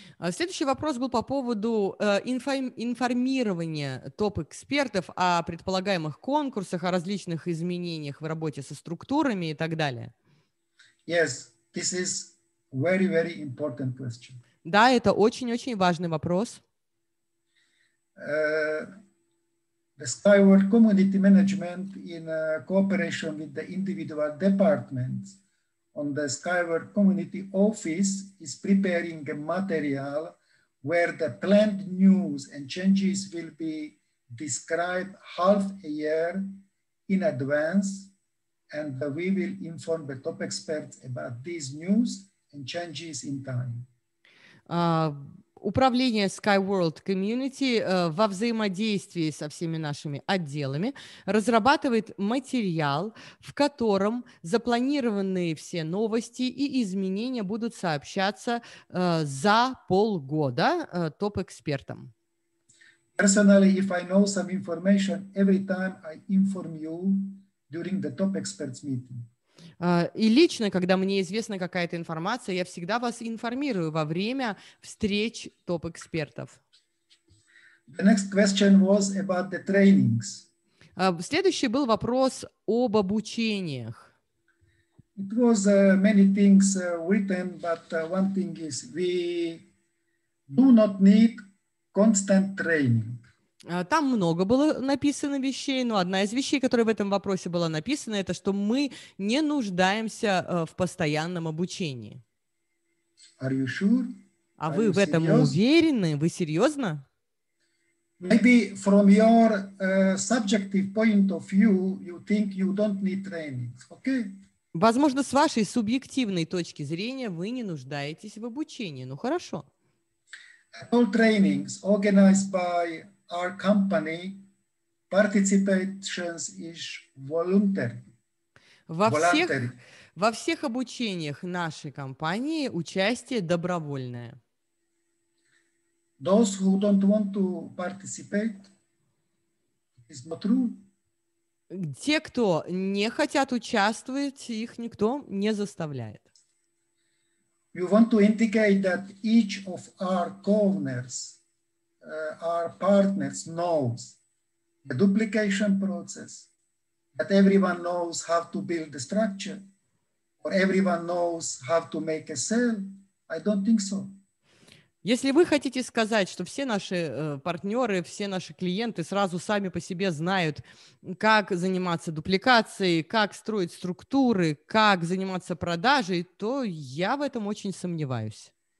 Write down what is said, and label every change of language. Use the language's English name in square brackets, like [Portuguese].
[Russian] Следующий вопрос был по поводу информирования топ-экспертов о предполагаемых конкурсах, о различных изменениях в работе со структурами и так далее. [English] Yes, this is very, very important question. [Russian] Да, это очень-очень важный вопрос. [English] The Skyward Community Management in cooperation with the individual departments on the Skyward Community Office is preparing a material where the planned news and changes will be described half a year in advance, and we will inform the top experts about these news and changes in time. [Russian] Управление SkyWorld Community во взаимодействии со всеми нашими отделами разрабатывает материал, в котором запланированные все новости и изменения будут сообщаться за полгода топ-экспертам. [English] Personally, if I know some information, every time I inform you during the top experts meeting. [Russian] И лично, когда мне известна какая-то информация, я всегда вас информирую во время встреч топ-экспертов. [English] The next question was about the trainings. [Russian] Следующий был вопрос об обучениях. [English] It was many things written, but one thing is we do not need constant training. [Russian] Там много было написано вещей, но одна из вещей, которая в этом вопросе была написана, это что мы не нуждаемся в постоянном обучении. [English] Are you sure? [Russian] А вы в этом уверены? Вы серьезно? [English] Maybe from your subjective point of view, you think you don't need training, okay? [Russian] Возможно, с вашей субъективной точки зрения вы не нуждаетесь в обучении. Ну, хорошо. [English] All trainings organized by our company, participation is voluntary. [Russian] Во всех обучениях нашей компании участие добровольное. [English] Those who don't want to participate, is not true. [Russian] Те, кто не хотят участвовать, их никто не заставляет. [English] You want to indicate that each of our co-owners, our partners knows the duplication process, that everyone knows how to build the structure, or everyone knows how to make a sale. I don't think so. [Russian] Если вы хотите сказать, что все наши партнеры, все наши клиенты сразу сами по себе знают, как заниматься дупликацией, как строить структуры, как заниматься продажей, то я в этом очень сомневаюсь.